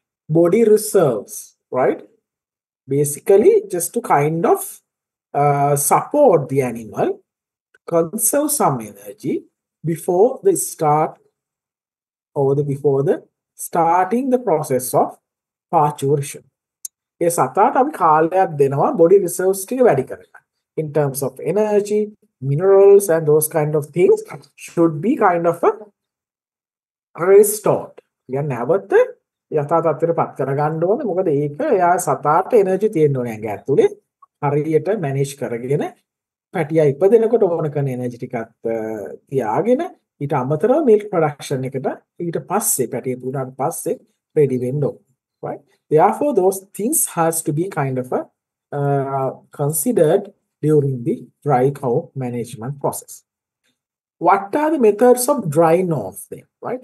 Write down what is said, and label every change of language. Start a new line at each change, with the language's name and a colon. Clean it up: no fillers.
English: Body reserves, right? Basically, just to kind of support the animal, conserve some energy before they start or the before the starting the process of parturition.
Sinhala: ඒ සතාට අපි කාලයක් දෙනවා
English: body reserves
Sinhala: ටික වැඩි කරලා
English: in terms of energy, minerals and those kind of things should be kind of restored.
Sinhala: යන්න නැවත යථාතත්වයටපත් කරගන්න ඕනේ. මොකද ඒක එයා සතාට එනර්ජි තියෙන්න ඕනේ ඇඟ ඇතුලේ හරියට මැනේජ් කරගෙන පැටියා ඉපදෙනකොට ඕන කරන එනර්ජි ටිකත් තියාගෙන ඊට අමතරව මිල්ක් ප්‍රොඩක්ෂන් එකට ඊට පස්සේ පැටිය පුරාට පස්සේ රෙඩි වෙන්න ඕනේ.
English: Right? Therefore those things has to be kind of considered during the dry cow management process. What are the methods of drying off them, right?